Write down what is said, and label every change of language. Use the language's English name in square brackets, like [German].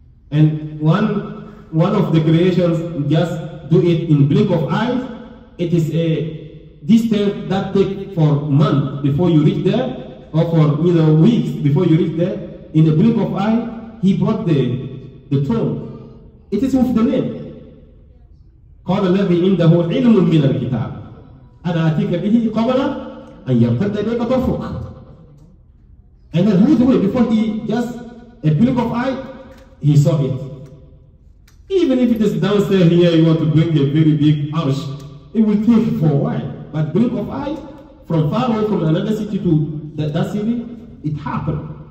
[English] And one of the creations just do it in blink of eyes. It is a distance that take for month before you reach there, or for weeks before you reach there. In the blink of eye, he brought the throne. It is with the name. [Arabic] قال الذي عنده علم من الكتاب أنا أتيك به قبل أن يرتد إليك طرفك. [English] And then who do it before he just a blink of eye he saw it. Even if it is downstairs here you want to bring a very big arch, it will take for a while. But blink of eye from far away from another city to that city, it happened.